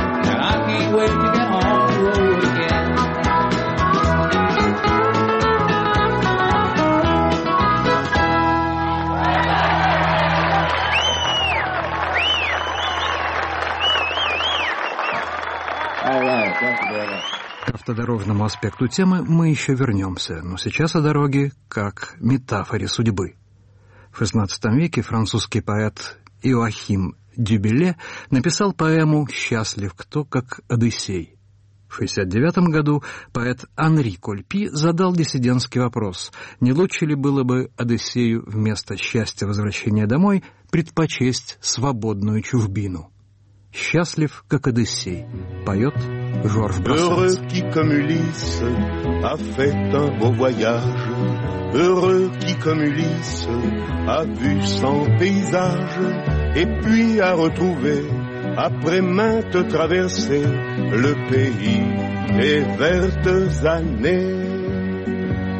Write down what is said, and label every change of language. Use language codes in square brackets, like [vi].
[en] And I can't wait to get on the road again. All right, thank you very much. [ru] К автодорожному аспекту темы мы еще вернемся, но сейчас о дороге как метафоре судьбы. В XVI веке французский поэт Иоахим Дюбеле написал поэму «Счастлив кто, как Одиссей». В 69 году поэт Анри Кольпи задал диссидентский вопрос, не лучше ли было бы Одиссею вместо счастья возвращения домой предпочесть свободную чужбину. «Счастлив, как Одиссей» поет Жорж Брассенс. [fr] Heureux qui comme Ulysse a fait un beau voyage, heureux qui comme Ulysse a vu son paysage, et puis a retrouvé, après maintes traversées, le pays des vertes années.